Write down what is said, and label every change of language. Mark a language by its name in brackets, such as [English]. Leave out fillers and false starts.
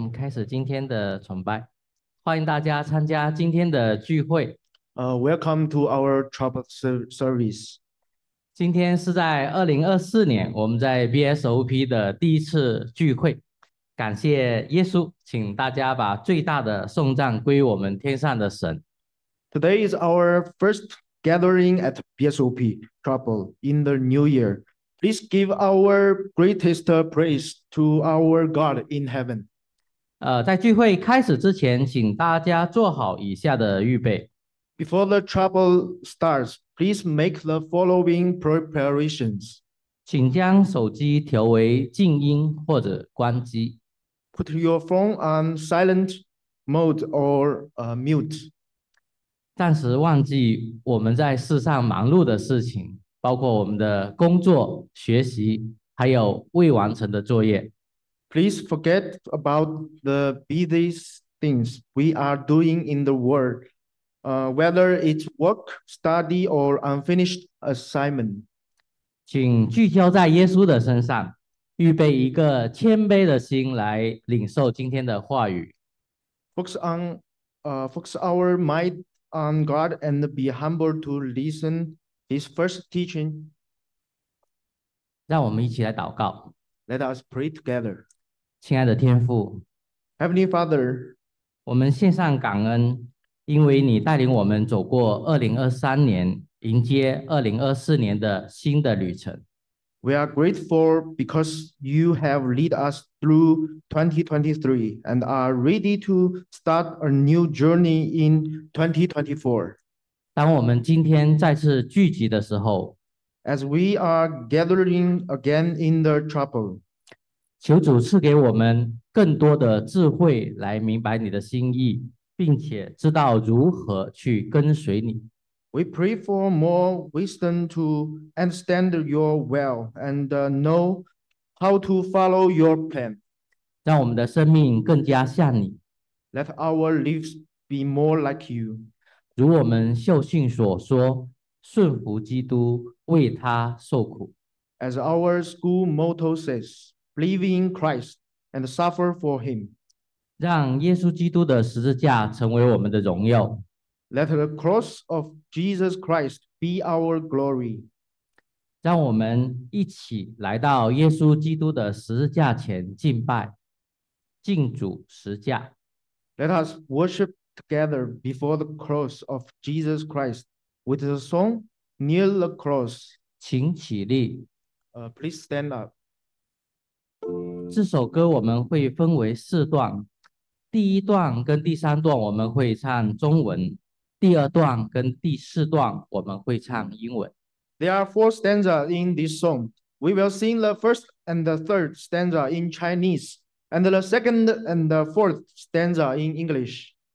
[Chinese] 始今天的崇拜，欢迎大家参加今天的聚会。 [English] Welcome to our chapel service. [Chinese] 今天是在2024年我们在 BSOP 的第一次聚会，感谢耶稣，请大家把最大的颂赞归我们天上的神。 [English] Today is our first gathering at BSOP chapel in the new year. Please give our greatest praise to our God in heaven. [Chinese] 在聚会开始之前，请大家做好以下的预备。 [English] Before the trouble starts, please make the following preparations. [Chinese] 请将手机调为静音或者关机。 [English] Put your phone on silent mode or mute. [Chinese] 暂时忘记我们在世上忙碌的事情，包括我们的工作、学习，还有未完成的作业。 [English] Please forget about the busy things we are doing in the world, whether it's work, study, or unfinished assignment. [Chinese] 请聚焦在耶稣的身上，预备一个谦卑的心来领受今天的话语。 [English] Focus our mind on God and be humble to listen His first teaching. [Chinese] 让我们一起来祷告。 [English] Let us pray together. [Chinese] 亲爱的天父 [English] Heavenly Father, [Chinese] 我们献上感恩，因为你带领我们走过2023年，迎接2024年的新的旅程。 [English] We are grateful because you have led us through 2023 and are ready to start a new journey in 2024. [Chinese] 当我们今天再次聚集的时候 [English] As we are gathering again in the chapel, [Chinese] 求主赐给我们更多的智慧来明白你的心意，并且知道如何去跟随你。 [English] We pray for more wisdom to understand your will and know how to follow your plan. [Chinese] 让我们的生命更加像你。 [English] Let our lives be more like you. [Chinese] 如我们受训所说，顺服基督，为他受苦。 [English] As our school motto says,Believe in Christ and suffer for Him. [Chinese] 让耶稣基督的十字架成为我们的荣耀。 [English] Let the cross of Jesus Christ be our glory. [Chinese] 让我们一起来到耶稣基督的十字架前敬拜，敬主十字架。 [English] Let us worship together before the cross of Jesus Christ with the song Kneel the Cross. [Chinese] 请起立。 [English] Please stand up. [Chinese] 这首歌我们会分为四段，第一段跟第三段我们会唱中文，第二段跟第四段我们会唱英文。 [English] There are four stanzas in this song. We will sing the first and the third stanza in Chinese and the second and the fourth stanza in English.